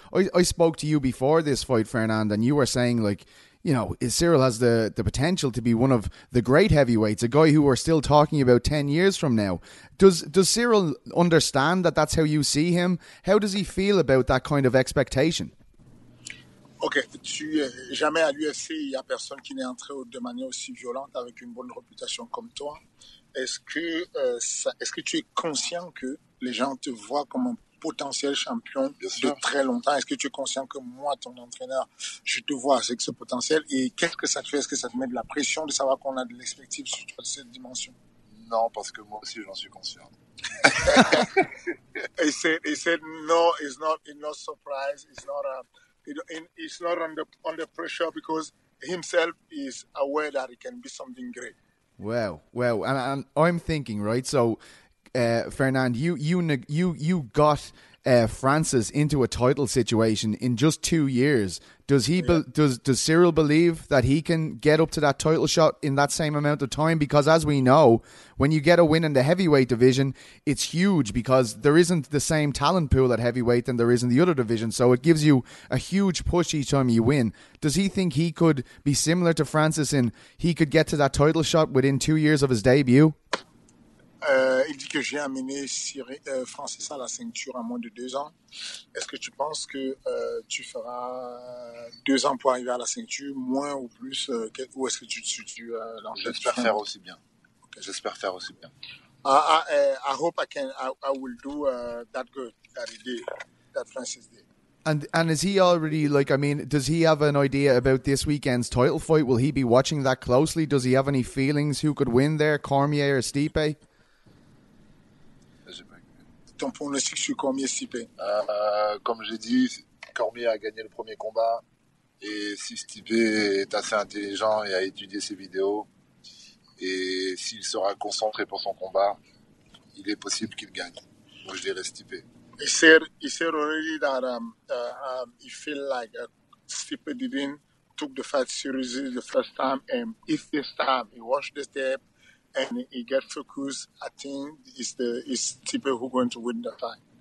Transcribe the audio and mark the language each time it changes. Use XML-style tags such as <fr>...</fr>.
<en>I spoke to you before this fight, Fernand, and you were saying, like, you know, Cyril has the potential to be one of the great heavyweights, a guy who we're still talking about 10 years from now. Does Cyril understand that that's how you see him? How does he feel about that kind of expectation?</en> <fr>Ok, jamais à l'UFC, il n'y a personne qui n'est entré de manière aussi violente avec une bonne réputation comme toi. Est-ce que tu es conscient que les gens te voient comme un potentiel champion de très longtemps? Est-ce que tu es conscient que moi, ton entraîneur, je te vois avec ce potentiel? Et qu'est-ce que ça te fait? Est-ce que ça te met de la pression de savoir qu'on a de l'expectative sur toi de cette dimension? Non, parce que moi aussi, j'en suis conscient.</fr> <en>He said, no, it's not surprise, it's not... He's not under pressure because himself is aware that he can be something great. Well, and I'm thinking, right? So Fernand, you got Francis into a title situation in just 2 years. Does Cyril believe that he can get up to that title shot in that same amount of time? Because as we know, when you get a win in the heavyweight division, it's huge because there isn't the same talent pool at heavyweight than there is in the other division. So it gives you a huge push each time you win. Does he think he could be similar to Francis in he could get to that title shot within 2 years of his debut?</en> <fr>Il dit que j'ai amené Francis à la ceinture en moins de 2 ans. Est-ce que tu penses que tu feras 2 ans pour arriver à la ceinture, moins ou plus ou est-ce que j'espère faire aussi bien. Okay. J'espère faire aussi bien.</fr> <en>I hope I will do that good, that he did, that Francis did. And is he already, like, I mean, does he have an idea about this weekend's title fight? Will he be watching that closely? Does he have any feelings who could win there, Cormier or Stipe?</en> <fr>Ton pronostic sur Cormier Stipe. Comme j'ai dit, Cormier a gagné le premier combat et si Stipe est assez intelligent et a étudié ses vidéos et s'il sera concentré pour son combat, il est possible qu'il gagne. Moi, je dirais Stipe.</fr> <en>He said already that he feel like Stipe didn't took the fight seriously the first time and if this time he watched the tape. And he gets focused, I think is Stipe who going to win the fight.</en>